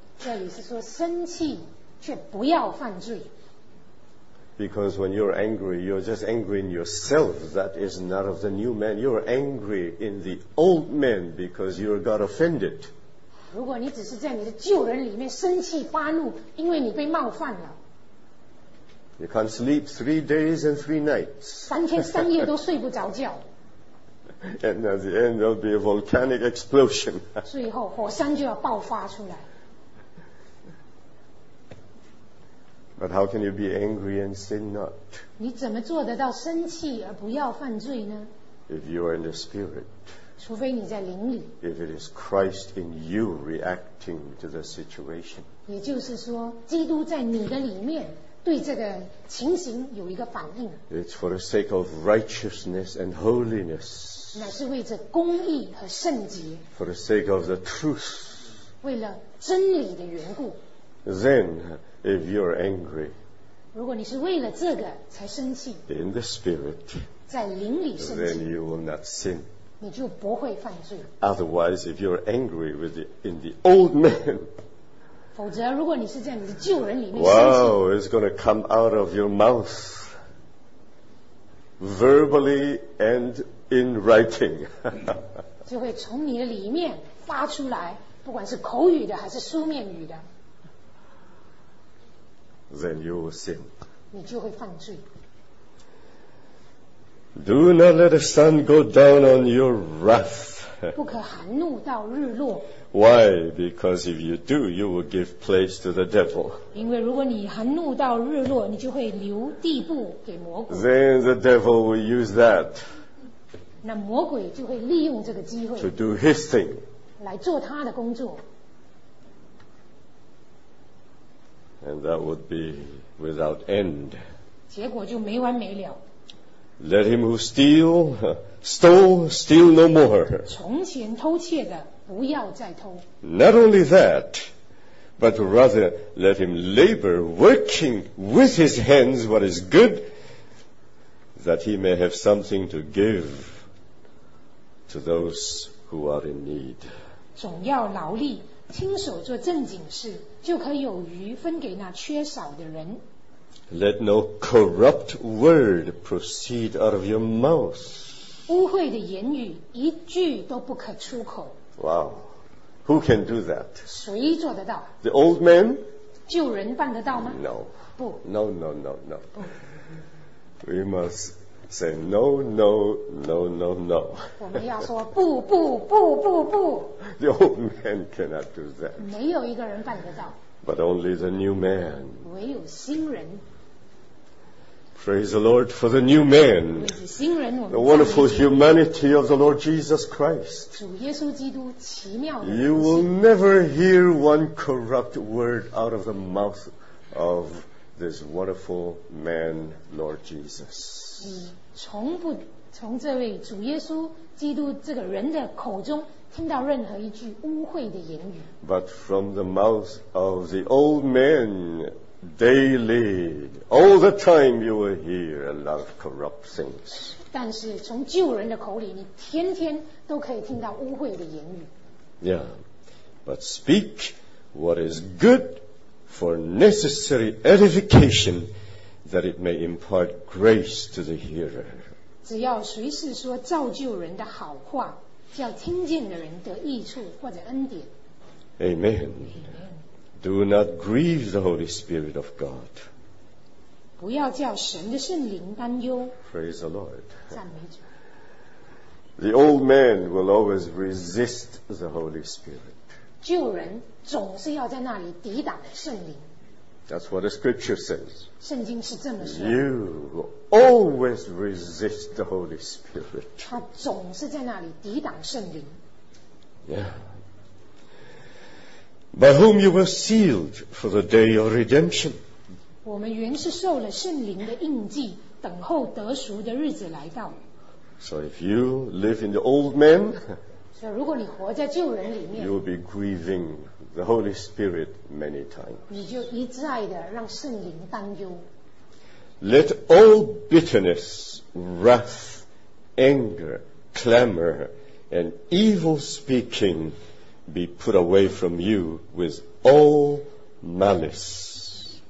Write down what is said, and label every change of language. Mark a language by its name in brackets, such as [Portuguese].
[Chinese] 这里是说生气却不要犯罪。 [English] Because when you're angry, you're just angry in yourself. That is not of the new man. You're angry in the old man because you got offended. [Chinese] 如果你只是在你的旧人里面生气发怒，因为你被冒犯了。 [English] You can't sleep 3 days and 3 nights. [Chinese] 三天三夜都睡不着觉。 [English] And at the end, there'll be a volcanic explosion. [Chinese] 最后火山就要爆发出来。 [English] But how can you be angry and sin not? [Chinese] 你怎么做得到生气而不要犯罪呢？ [English] If you are in the spirit. [Chinese] 除非你在灵里。 [English] If it is Christ in you reacting to the situation. [Chinese] 也就是说，基督在你的里面对这个情形有一个反应。 [English] It's for the sake of righteousness and holiness. [Chinese] 乃是为着公义和圣洁。 [English] For the sake of the truth. [Chinese] 为了真理的缘故。 [English] Then, if you are angry, [Chinese] 如果你是为了这个才生气 [English] in the spirit, [Chinese] 在灵里生气 [English] then you will not sin. [Chinese] 你就不会犯罪 [English] Otherwise, if you are angry with in the old man, [Chinese] 否则如果你是在你的旧人里面生气 [English] Wow, it's going to come out of your mouth, verbally and in writing. [Chinese] 就会从你的里面发出来，不管是口语的还是书面语的。 [English] Then you will sin. [Chinese] 你就会犯罪。 [English] Do not let the sun go down on your wrath. [Chinese] 不可含怒到日落。 [English] Why? Because if you do, you will give place to the devil. [Chinese] 因为如果你含怒到日落，你就会留地步给魔鬼。 [English] Then the devil will use that. [Chinese] 那魔鬼就会利用这个机会。 [English] To do his thing. [Chinese] 来做他的工作。 [English] And that would be without end. [Chinese] 结果就没完没了。 [English] Let him who steal, stole, steal no more. [Chinese] 从前偷窃的不要再偷。 [English] Not only that, but rather let him labor, working with his hands what is good, that he may have something to give to those who are in need. [Chinese] 总要劳力。亲手做正经事，就可以有余分给那缺少的人。 [English] Let no corrupt word proceed out of your mouth. [Chinese] 污秽的言语一句都不可出口。 [English] Wow, who can do that? [Chinese] 谁做得到？ [English] The old man? [Chinese] 旧人办得到吗？ [English] No. [Chinese] 不。 [English] No, no, no, no. We must say no, no, no, no, no. [Chinese] 我们要说不不不不不。 [English] The old man cannot do that. [Chinese] 没有一个人办得到。 [English] But only the new man. [Chinese] 唯有新人。 [English] Praise the Lord for the new man. [Chinese] 为新人，我们。 [English] The wonderful humanity of the Lord Jesus Christ. [Chinese] 主耶稣基督奇妙的。 [English] You will never hear one corrupt word out of the mouth of this wonderful man, Lord Jesus. [Chinese] 你从不从这位主耶稣基督这个人的口中听到任何一句污秽的言语。 [English] But from the mouth of the old man, daily, all the time you will hear a lot of corrupt things. [Chinese] 但是从旧人的口里，你天天都可以听到污秽的言语。 [English] Yeah, but speak what is good for necessary edification, that it may impart grace to the hearer. [Chinese] 只要随时说造就人的好话，叫听见的人得益处或者恩典。 [English] Amen. Amen. Do not grieve the Holy Spirit of God. [Chinese] 不要叫神的圣灵担忧。 [English] Praise the Lord. [Chinese] 赞美主。 [English] The old man will always resist the Holy Spirit. [Chinese] 旧人总是要在那里抵挡圣灵。 [English] That's what the scripture says. [Chinese] 圣经是这么说。 [English] You always resist the Holy Spirit. [Chinese] 他总是在那里抵挡圣灵。 [English] Yeah. By whom you were sealed for the day of redemption. [Chinese] 我们原是受了圣灵的印记，等候得赎的日子来到。 [English] So if you live in the old man, [Chinese] 所以如果你活在旧人里面, [English] you will be grieving the Holy Spirit many times. [Chinese] 你就一再地让圣灵担忧。 [English] Let all bitterness, wrath, anger, clamor, and evil speaking be put away from you with all malice.